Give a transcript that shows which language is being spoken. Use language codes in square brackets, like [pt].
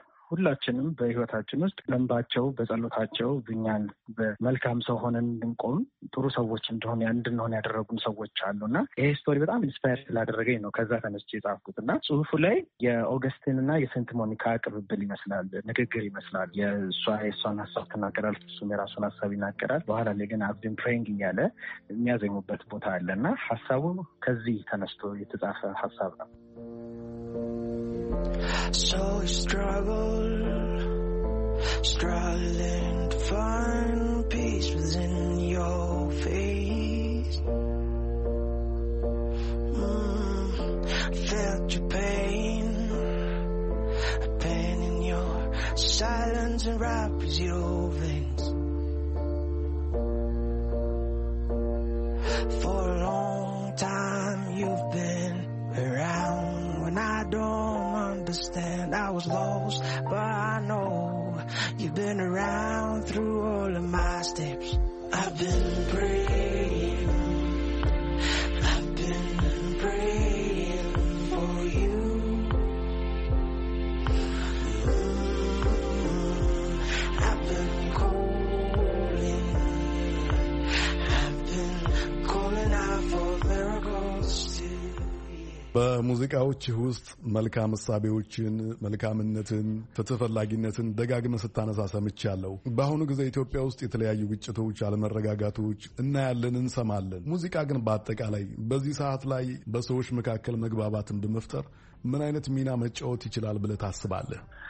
[am] ሁላችንም በህይወታችን ውስጥ በእንባቸው በጸሎታቸው እኛን በመልካም ሰው ሆነን እንድንቆም ጥሩ ሰዎች እንደሆን እንድንሆን ያደረጉን ሰዎች አሉ እና ይሄ ስቶሪ በጣም ኢንስፓየር ስላደረገኝ ነው ከዛ ተነስቼ የጻፍኩት እና ጽሁፉ ላይ የኦገስቲን እና የሴንት ሞኒካ ቅብብል ይመስላል፣ ንግግር ይመስላል። የእሷ የእሷን ሀሳብ ትናገራል፣ እሱም የራሱን ሀሳብ ይናገራል። በኋላ ላይ ግን አብድን ፕሬንግ እያለ የሚያዘኙበት ቦታ አለ እና ሀሳቡ ከዚህ ተነስቶ የተጻፈ ሀሳብ ነው። [en] So we struggle, struggling to find peace within your face. Felt your pain, a pain in your silence and wraps your veins. For a long time you've been around when I don't understand. I was lost, but I know you've been around through all of my steps. I've been praying, I've been praying for you. I've been calling, I've been calling out for miracles. [am] በሙዚቃዎች ውስጥ መልካም እሳቤዎችን፣ መልካምነትን፣ ፍትህ ፈላጊነትን ደጋግመህ ስታነሳ ሰምቻለሁ። በአሁኑ ጊዜ ኢትዮጵያ ውስጥ የተለያዩ ግጭቶች፣ አለመረጋጋቶች እናያለን፣ እንሰማለን። ሙዚቃ ግን በአጠቃላይ በዚህ ሰዓት ላይ በሰዎች መካከል መግባባትን በመፍጠር ምን አይነት ሚና መጫወት ይችላል ብለህ ታስባለህ?